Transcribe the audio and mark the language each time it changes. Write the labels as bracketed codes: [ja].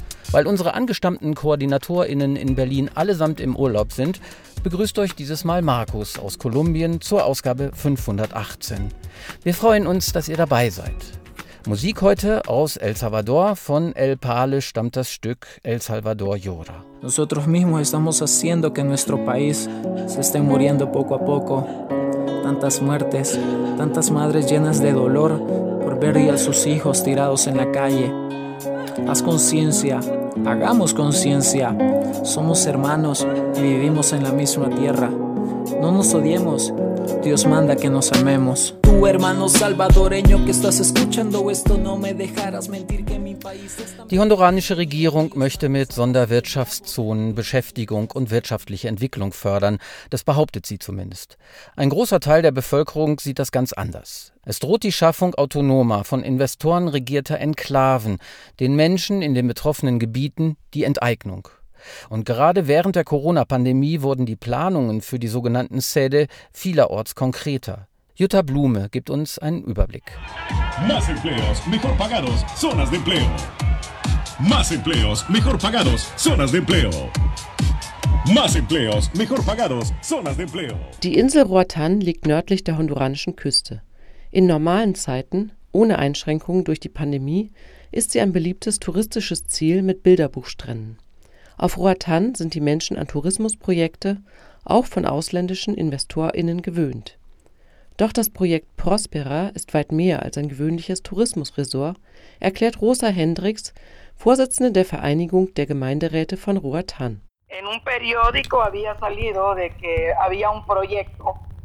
[de] Weil unsere angestammten KoordinatorInnen in Berlin allesamt im Urlaub sind, begrüßt euch dieses Mal Markus aus Kolumbien zur Ausgabe 518. Wir freuen uns, dass ihr dabei seid. Musik heute aus El Salvador. Von El Pale stammt das Stück El Salvador Llora. [es] Nosotros mismos estamos haciendo que nuestro país se esté muriendo poco a poco. Tantas muertes, tantas madres llenas de dolor por ver a sus hijos tirados en la calle. Haz conciencia, hagamos conciencia. Somos hermanos y vivimos en la misma tierra. No nos odiemos, Dios manda que nos amemos. Tu hermano salvadoreño que estás escuchando esto, no me dejarás mentir que mi país está. [de] Die honduranische Regierung möchte mit Sonderwirtschaftszonen Beschäftigung und wirtschaftliche Entwicklung fördern. Das behauptet sie zumindest. Ein großer Teil der Bevölkerung sieht das ganz anders. Es droht die Schaffung autonomer, von Investoren regierter Enklaven, den Menschen in den betroffenen Gebieten die Enteignung. Und gerade während der Corona-Pandemie wurden die Planungen für die sogenannten SEDE vielerorts konkreter. Jutta Blume gibt uns einen Überblick. [es] Más empleos, mejor pagados, zonas de empleo. Más empleos, mejor pagados, zonas de empleo. Más empleos, mejor pagados, zonas de empleo. [de] Die Insel Roatán liegt nördlich der honduranischen Küste. In normalen Zeiten, ohne Einschränkungen durch die Pandemie, ist sie ein beliebtes touristisches Ziel mit Bilderbuchstränden. Auf Roatán sind die Menschen an Tourismusprojekte, auch von ausländischen InvestorInnen, gewöhnt. Doch das Projekt Prospera ist weit mehr als ein gewöhnliches Tourismusresort, erklärt Rosa Hendricks, Vorsitzende der Vereinigung der Gemeinderäte von Roatán. In einem [es] periódico había salido de que había un proyecto.